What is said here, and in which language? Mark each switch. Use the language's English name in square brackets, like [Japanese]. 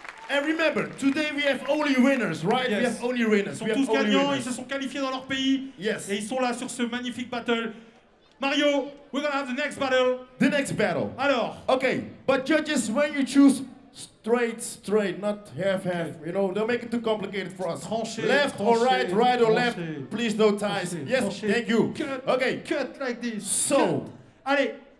[English] And remember, today we have only winners, right? Yes. We have only winners. [French] Ils sont tous gagnants, ils se sont qualifiés dans leur pays. [English] Yes. [French] Et ils sont là sur ce magnifique battle. [English] Mario, we're gonna have the next battle. The next battle. [French] Alors. [English] Okay, but judges, when you choose straight, not half, you know, don't make it too complicated for us. [French] Tranchez, [English] left [French] tranchez, [English] or right, right tranchez, or left, tranchez, please no ties. Tranchez, yes, tranchez, thank you. Cut like this. So, cut. Allez.